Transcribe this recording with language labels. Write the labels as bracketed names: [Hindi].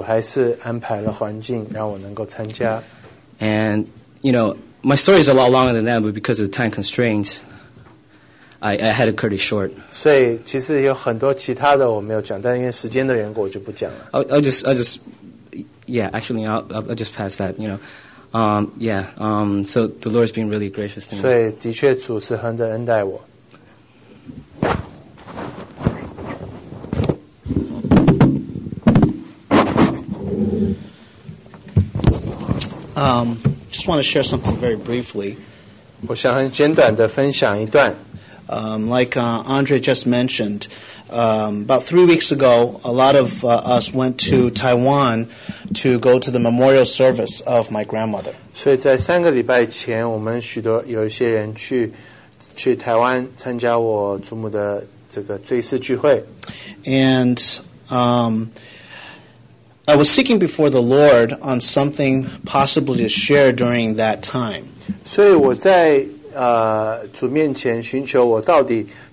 [Chinese] 所以感谢主，虽然我是软弱，我也有我的失败，但是主还是安排了环境让我能够参加。 [English] And, you know, my story is a lot longer than that, but because of the time constraints, I had it cut it short. [Chinese] 所以其实有很多其他的我没有讲，但因为时间的缘故，我就不讲了。 [English] I'll just pass that, you know. So the Lord's been really gracious to me. [Chinese] 所以的确主是很的恩待我。 [English] Just want to share something very briefly. [Chinese] 我想很简短的分享一段。 [English] Like Andre just mentioned, About 3 weeks ago, a lot of us went to Taiwan to go to the memorial service of my grandmother. [Chinese] 所以在三个礼拜前，我们许多有一些人去台湾参加我祖母的这个追思聚会。 [English] And I was seeking before the Lord on something possibly to share during that time. [Chinese] 所以我在主面前寻求我到底